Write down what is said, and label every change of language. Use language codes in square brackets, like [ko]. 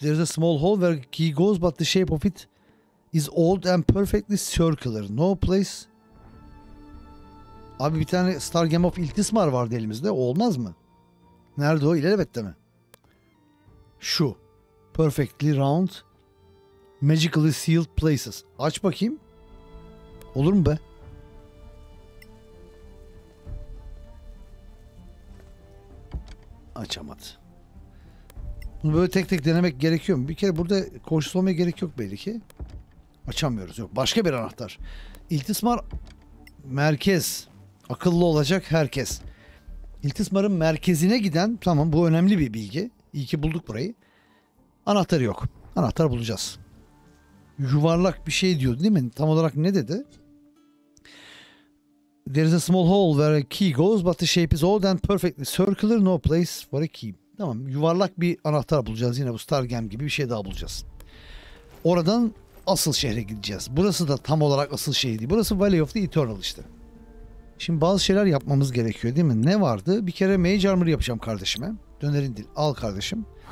[en] There is a small hole where key goes, but the shape of it is old and perfectly circular. No place. [tr] Abi bir tane Star Gem of İltismar vardı elimizde. O olmaz mı? Nerede o? İlelebet'te mi? Şu. [en] Perfectly round. Magically sealed places. [tr] Aç bakayım. Olur mu be? Açamadı. Bunu böyle tek tek denemek gerekiyor mu? Bir kere burada koşusu olmaya gerek yok belli ki. Açamıyoruz. Yok. Başka bir anahtar. İltismar merkez. Akıllı olacak herkes. İltismar'ın merkezine giden, tamam, bu önemli bir bilgi. İyi ki bulduk burayı. Anahtarı yok. Anahtar bulacağız. Yuvarlak bir şey diyordu değil mi? Tam olarak ne dedi? [en] There is a small hole where a key goes, but the shape is old and perfectly circular. No place for a key. [tr] Tamam, yuvarlak bir anahtar bulacağız. Yine bu Star Gem gibi bir şey daha bulacağız. Oradan asıl şehre gideceğiz. Burası da tam olarak asıl şehir değil. Burası Valley of the Eternal işte. Şimdi bazı şeyler yapmamız gerekiyor değil mi? Ne vardı? Bir kere Mage Armor yapacağım kardeşime. Dönerin dil. Al kardeşim.